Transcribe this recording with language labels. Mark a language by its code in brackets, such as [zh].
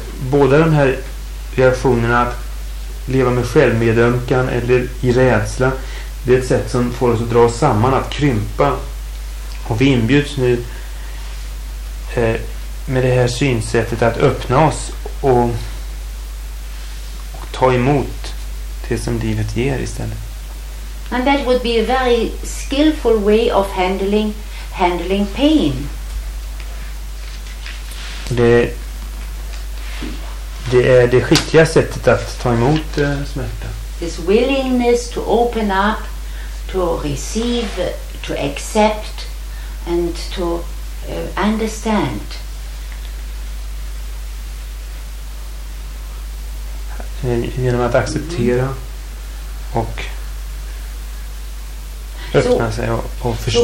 [sv] Båda de här reaktionerna, att leva med självmedömkan eller i rädsla, det är ett sätt som får oss att dra oss samman, att krympa. Och vi inbjuds nu med det här synsättet att öppna oss och ta emot det som livet ger istället. [en] And that would be a very skillful way of handling pain. [sv] Det är det skickliga sättet att ta emot smärta. [en] This willingness to open up, to receive, to accept and to understand. [sv] Genom att acceptera och öppna sig och förstå.